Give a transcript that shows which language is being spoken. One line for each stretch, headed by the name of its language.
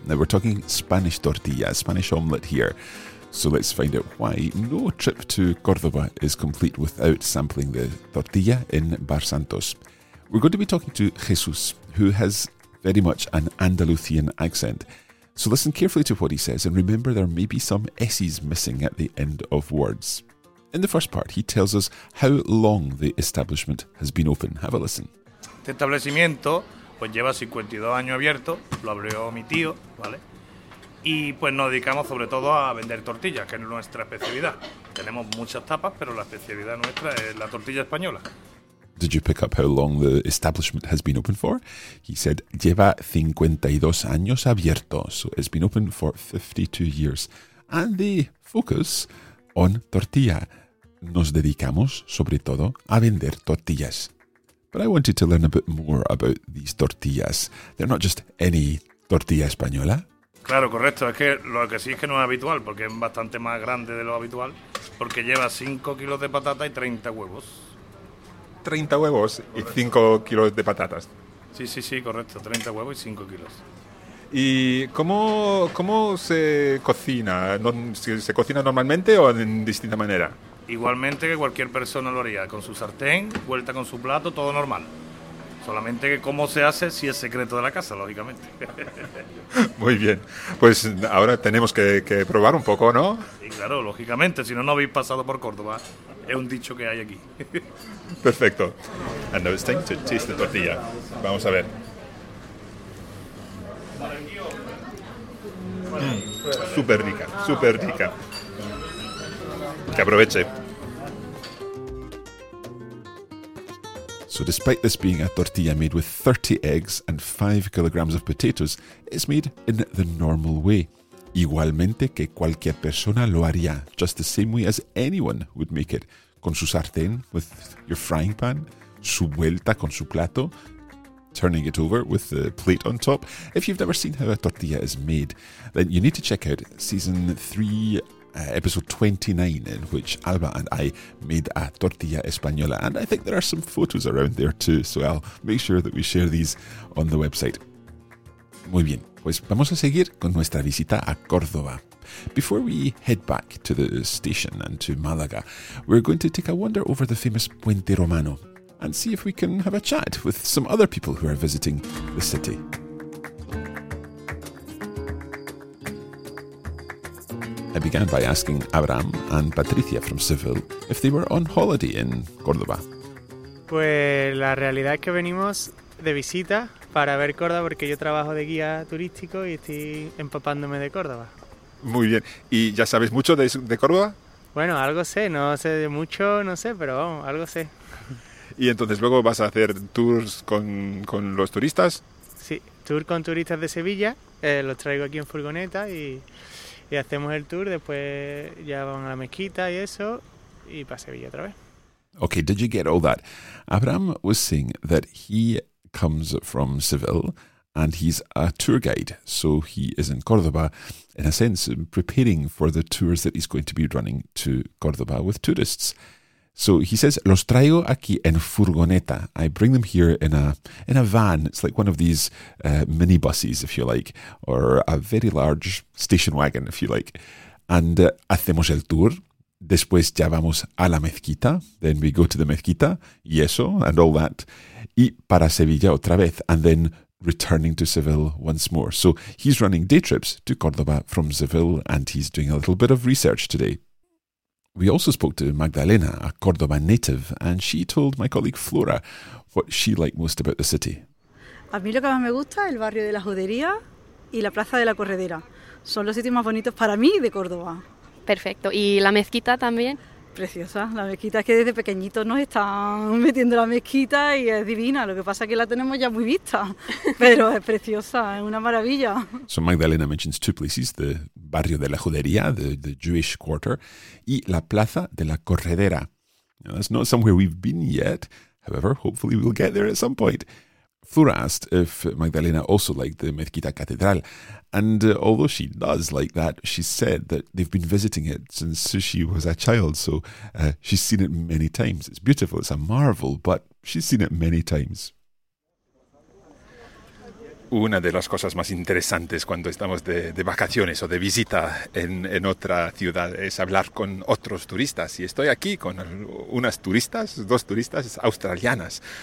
English: Now we're talking Spanish tortilla, Spanish omelette here. So let's find out why no trip to Córdoba is complete without sampling the tortilla in Bar Santos. We're going to be talking to Jesús, who has very much an Andalusian accent. So listen carefully to what he says, and remember there may be some S's missing at the end of words. In the first part, he tells us how long the establishment has been open. Have a listen.
Spanish: Este establecimiento pues lleva 52 años abierto, lo abrió mi tío, ¿vale? Y pues nos dedicamos sobre todo a vender tortillas, que es nuestra especialidad. Tenemos muchas tapas, pero la especialidad nuestra es la tortilla española.
English: Did you pick up how long the establishment has been open for? He said,
Spanish: lleva 52 años abierto.
English: So it's been open for 52 years. And they focus on tortilla.
Spanish: Nos dedicamos sobre todo a vender tortillas.
English: But I wanted to learn a bit more about these tortillas. They're not just any tortilla española.
Spanish: Claro, correcto. Es que lo que sí es que no es habitual, porque es bastante más grande de lo habitual, porque lleva 5 kilos de patata y 30 huevos. ¿30 huevos correcto. Y 5 kilos de patatas? Sí, correcto. 30 huevos y 5 kilos. ¿Y cómo se cocina? ¿Se cocina normalmente o en distinta manera? Igualmente que cualquier persona lo haría, con su sartén, vuelta con su plato, todo normal. Solamente que cómo se hace si es secreto de la casa, lógicamente. Muy bien, pues ahora tenemos que probar un poco, ¿no? Sí, claro, lógicamente, si no, no habéis pasado por Córdoba. Es un dicho que hay aquí. Perfecto.
English: And now it's time to taste the tortilla.
Spanish: Vamos a ver. Súper rica, súper rica. Que aproveche.
English: So despite this being a tortilla made with 30 eggs and 5 kilograms of potatoes, it's made in the normal way.
Spanish: Igualmente que cualquier persona lo haría,
English: just the same way as anyone would make it.
Spanish: Con su sartén,
English: with your frying pan,
Spanish: su vuelta con su plato,
English: turning it over with the plate on top. If you've never seen how a tortilla is made, then you need to check out season 3, episode 29, in which Alba and I made a tortilla española. And I think there are some photos around there too, so I'll make sure that we share these on the website.
Spanish: Muy bien, pues vamos a seguir con nuestra visita a Córdoba.
English: Before we head back to the station and to Málaga, we're going to take a wander over the famous Puente Romano and see if we can have a chat with some other people who are visiting the city. I began by asking Abraham and Patricia from Seville if they were on holiday in Córdoba.
Spanish: Pues la realidad es que venimos de visita para ver Córdoba porque yo trabajo de guía turístico y estoy empapándome de Córdoba. Muy bien. ¿Y ya sabes mucho de Córdoba? Bueno, algo sé. No sé de mucho, no sé, pero vamos, algo sé. ¿Y entonces luego vas a hacer tours con los turistas? Sí, tour con turistas de Sevilla. Los traigo aquí en furgoneta y hacemos el tour. Después ya vamos a la mezquita y eso, y para Sevilla otra vez.
English: Okay, did you get all that? Abraham was saying that he comes from Seville and he's a tour guide, so he is in Córdoba, in a sense, preparing for the tours that he's going to be running to Córdoba with tourists. So he says,
Spanish: los traigo aquí en furgoneta.
English: I bring them here in a van. It's like one of these minibuses, if you like, or a very large station wagon, if you like.
Spanish: And hacemos el tour. Después ya vamos a la mezquita.
English: Then we go to the mezquita,
Spanish: y eso,
English: and all that.
Spanish: Y para Sevilla otra vez.
English: And then returning to Seville once more. So he's running day trips to Córdoba from Seville, and he's doing a little bit of research today. We also spoke to Magdalena, a Córdoba native, and she told my colleague Flora what she liked most about the city.
Spanish: A mí lo que más me gusta es el barrio de la Judería y la Plaza de la Corredera. Son los sitios más bonitos para mí de Córdoba. Perfecto. ¿Y la mezquita también? Preciosa. La mezquita es que desde pequeñitos nos están metiendo la mezquita y es divina. Lo que pasa es que la tenemos ya muy vista, pero es preciosa, es una maravilla.
English: So Magdalena mentions two places, the barrio de la Judería, the Jewish quarter, y la Plaza de la Corredera. Now, that's not somewhere we've been yet. However, hopefully we'll get there at some point. Flora asked if Magdalena also liked the Mezquita Catedral, and although she does like that, she said that they've been visiting it since she was a child, so she's seen it many times. It's beautiful, it's a marvel, but she's seen it many times.
Spanish: Una de las cosas más interesantes cuando estamos de vacaciones o de visita en otra ciudad es hablar con otros turistas, y estoy aquí con dos turistas australianas.